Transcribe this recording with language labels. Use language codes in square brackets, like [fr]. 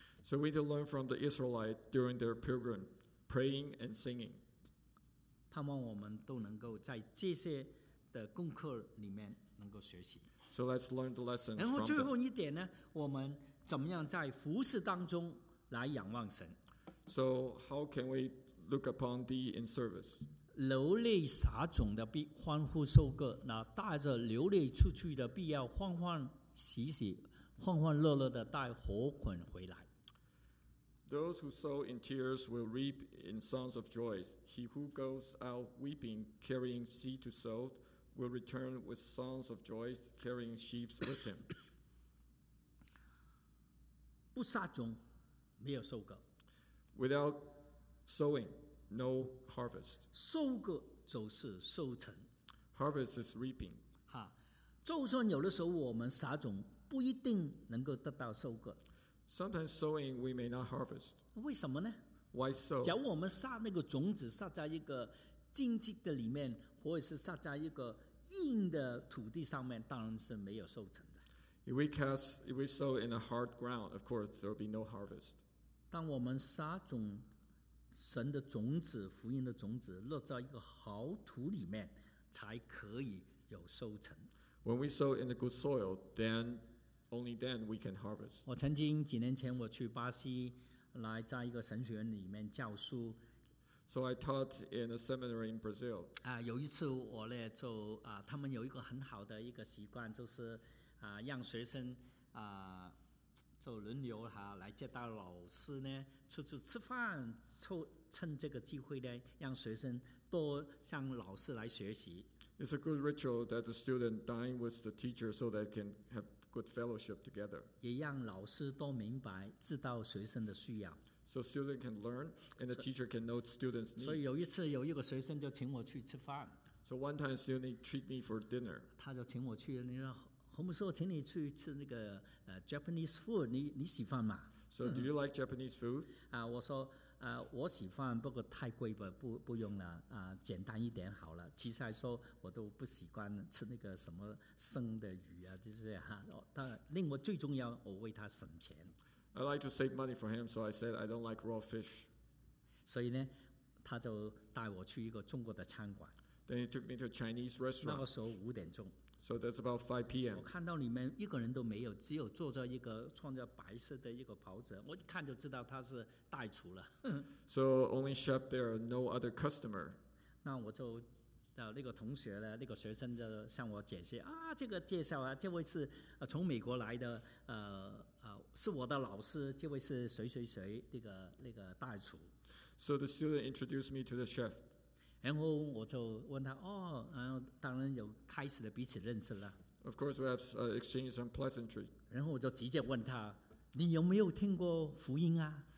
[en] So we need to learn from the Israelites during their pilgrimage, praying and singing. [zh] 盼望我们都能够在这些的功课里面能够学习。 [en] So let's learn the lessons. [zh] 然后最后一点呢，我们怎么样在服事当中来仰望神 [en] ？So how can we look upon thee in service? [zh] 流泪撒种的必欢呼收割，那带着流泪出去的必要欢欢喜喜、欢欢乐乐的带禾捆回来。 [en] Those who sow in tears will reap in songs of joy. He who goes out weeping, carrying seed to sow, will return with songs of joy, carrying sheaves with him. [zh] 不撒种，没有收割。 [en] Without sowing, no harvest. [zh] 收割就是收成。 [en] Harvest is reaping. 哈， [zh] 就算有的时候我们撒种不一定能够得到收割。 [en] Sometimes sowing we may not harvest. [zh] 为什么呢？ [en] Why so? [zh] 假如我们撒那个种子撒在一个荆棘的里面，或者是撒在一个硬的土地上面，当然是没有收成的。 [en] If we cast, if we sow in a hard ground, of course there will be no harvest. [zh] 当我们撒种神的种子、福音的种子落在一个好土里面，才可以有收成。 [en] When we sow in a good soil, then only then we can harvest. [zh] 我曾经几年前我去巴西来在一个神学院里面教书。 [en] So I taught in a seminary in Brazil. [zh] 有一次我呢就他们有一个很好的一个习惯，就是让学生就轮流来接到老师呢出去吃饭，趁这个机会呢让学生多向老师来学习。 [en] It's a good ritual that the student dine with the teacher so that they can have good fellowship together. [zh] 也让老师多明白知道学生的需要。 [en] So student can learn and the teacher can know students' needs. [zh] 所以有一次有一个学生就请我去吃饭。 [en] So one time student treat me for dinner. [zh] 他就请我去，你说洪牧师，我请你去吃那个 [en] Japanese food， [zh] 你喜欢吗？ [en] So do you like Japanese food？ [zh] 我说我喜欢，不过太贵吧，不用了，简单一点好了。其实来说，我都不习惯吃那个什么生的鱼啊，就是哈。当然，令我最重要，我为他省钱。 [en] I like to save money for him, so I said I don't like raw fish. [zh] 所以呢，他就带我去一个中国的餐馆。 [en] Then he took me to a Chinese restaurant. [zh] 那个时候五点钟。 [en] So that's about 5 p.m. [zh] 我看到里面一个人都没有，只有坐着一个穿着白色的一个袍子，我一看就知道他是大厨了。 [en] So only chef there, no other customer. [zh] 那我就到那个同学呢，那个学生就向我解释啊，这个介绍啊，这位是从美国来的，是我的老师，这位是谁谁谁，那个大厨。 [en] So the student introduced me to the chef. [zh] 然后我就问他，哦，然后当然有开始了彼此认识了。 [en] Of course, we have exchanged some pleasantry. [zh] 然后我就直接问他，你有没有听过福音啊？